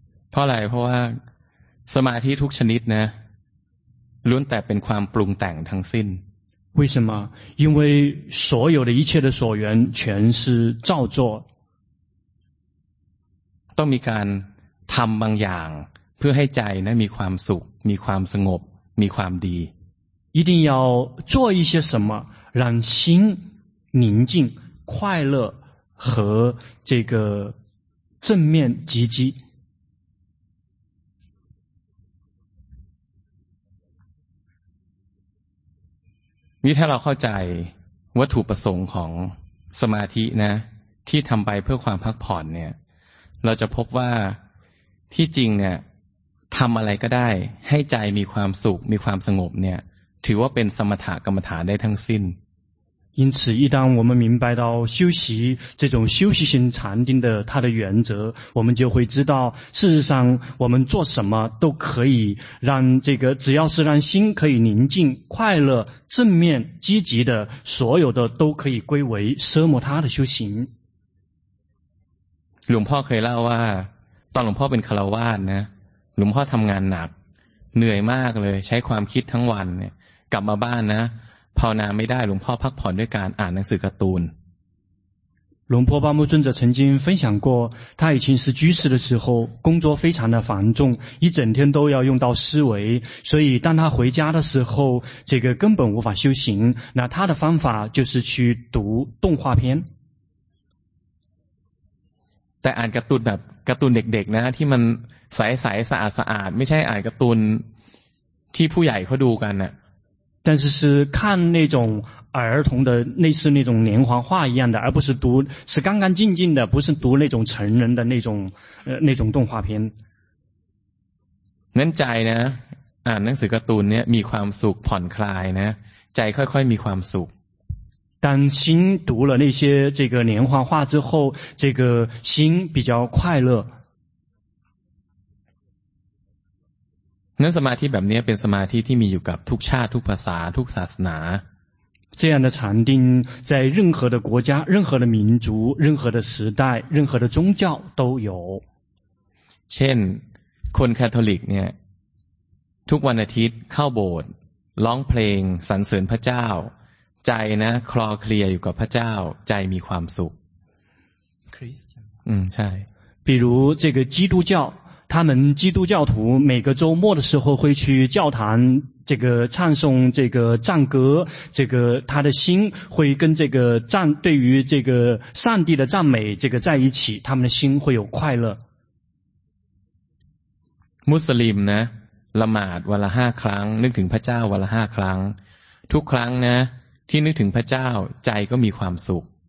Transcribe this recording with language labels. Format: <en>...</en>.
<th>เพราะอะไรเพราะว่าสมาธิทุกชนิดนะล้วนแต่เป็นความปรุงแต่งทั้งสิ้น</th> <zh>为什么因为所有的一切的所缘全是造作</zh> <th>ต้องมีการทำบางอย่างเพื่อให้ใจนะมีความสุขมีความสงบมีความดี</th> <zh>一定要做一些什么让心宁静快乐和这个正面积极</zh> <th>นี่ถ้าเราเข้าใจวัตถุประสงค์ของสมาธินะที่ทำไปเพื่อความพักผ่อนเนี่ยเราจะพบว่าที่จริงเนี่ยทำอะไรก็ได้ให้ใจมีความสุขมีความสงบเนี่ยถือว่าเป็นสมถกรรมฐานได้ทั้งสิ้น</th> <zh>因此一旦我们明白到修习这种修习型禅定的它的原则我们就会知道事实上我们做什么都可以让这个只要是让心可以宁静快乐正面积极的所有的都可以归为奢摩他的修行</zh> <th>หลวงพ่อเคยเล่าว่าตอนหลวงพ่อเป็นคฤหัสถ์นะหลวงพ่อทำงานหนักเหนื่อยมากเลยใช้ความคิดทั้งวันกลับมาบ้านนะภาวนาไม่ได้หลวงพ่อพักผ่อนด้วยการอ่านหนังสือการ์ตูน</th> <zh>หลวงพ่อบาโมจุนจะ曾经分享过他以前是居士的时候工作非常的繁重一整天都要用到思维所以当他回家的时候这个根本无法修行那他的方法就是去读动画片</zh> <th>แต่อ่านการ์ตูนแบบการ์ตูนเด็กๆนะที่มันใสๆสะอาดๆไม่ใช่อ่านการ์ตูนที่ผู้ใหญ่เขาดูกันนะ</th> <zh>但是是看那种儿童的类似那种连环画一样的而不是读是干干净净的不是读那种成人的那种动画片</zh> <th>นั้นใจนะอ่านหนังสือการ์ตูนเนี่ยมีความสุขผ่อนคลายนะใจค่อยๆมีความสุข</th> <zh>但心读了那些这个连环画之后这个心比较快乐</zh> <th>นั้นสมาธิแบบนี้เป็นสมาธิที่มีอยู่กับทุกชาติทุกภาษาทุกศาสนา</th> <zh>这样的禅定在任何的国家任何的民族任何的时代任何的宗教都有</zh> <th>เช่นคนคาทอลิกเนี่ยทุกวันอาทิตย์เข้าโบสถ์ร้องเพลงสรรเสริญพระเจ้าใจนะคลอเคลียอยู่กับพระเจ้าใจมีความสุข คริสต์อืมใช่</th> <zh>比如这个基督教他们基督教徒每个周末的时候会去教堂这个唱诵这个赞歌这个他的心会跟这个赞对于这个上帝的赞美这个在一起他们的心会有快乐</zh> <th>มุสลิมนะละหมาดวันละห้าครั้งนึกถึงพระเจ้าวันละห้าครั้งทุกครั้งนะที่นึกถึงพระเจ้าใจก็มีความสุข</th>